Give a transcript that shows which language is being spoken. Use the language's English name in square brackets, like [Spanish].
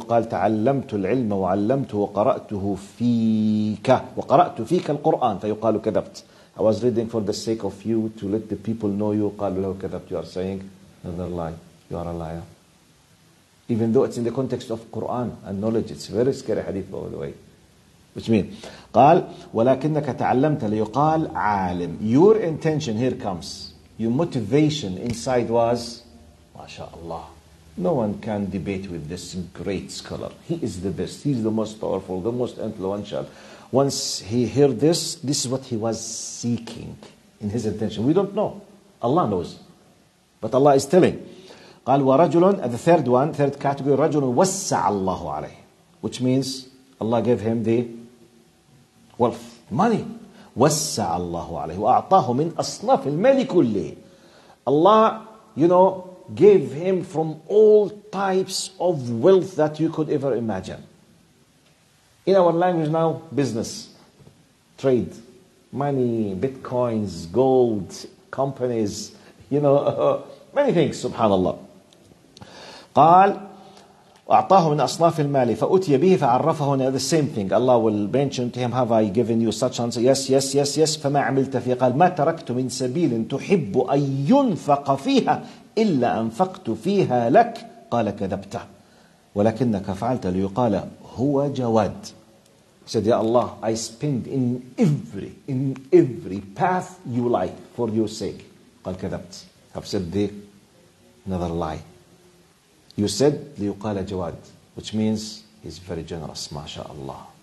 [Arabic] قال تعلمت العلم وعلمته وقرأته فيك. وقرأت فيك القرآن. فيقال كذبت. [English] I was reading for the sake of you to let the people know you. قالوا له كذبت. You are saying another lie. You are a liar. Even though it's in the context of Quran and knowledge, it's very scary hadith by the way. [Arabic] Which means, قال ولكنك تعلمت ليقال عالم. [English] Your intention here comes. Your motivation inside was, ما شاء الله. No one can debate with this great scholar. He is the best. He's the most powerful, the most influential. Once he heard this, this is what he was seeking in his intention. We don't know. Allah knows. But Allah is telling. [Arabic] قال ورجل, the third one, third category, رجل وسع الله عليه. [English] Which means Allah gave him the wealth, money. [Arabic] وسع الله عليه وأعطاه من أصناف المال كله. [English] Allah, you know, gave him from all types of wealth that you could ever imagine. In our language now, business, trade, money, bitcoins, gold, companies, you know, many things, subhanallah. [Arabic] قال وأعطاه من أصناف المال فأتي به فعرفه. [English] Now the same thing, Allah will mention to him, have I given you such answer? Yes, yes, yes, yes. [Arabic] فما عملت فيه؟ قال ما تركت من سبيل تحب أن ينفق فيها إلا أنفقت فيها لك. قال كذبت ولكنك فعلت ليقال هو جواد. [English] He said, Ya Allah, I spend in every path you like for your sake. قال كذبت. I've said the another lie. You said ليقال جواد, which means he's very generous, ما شاء الله.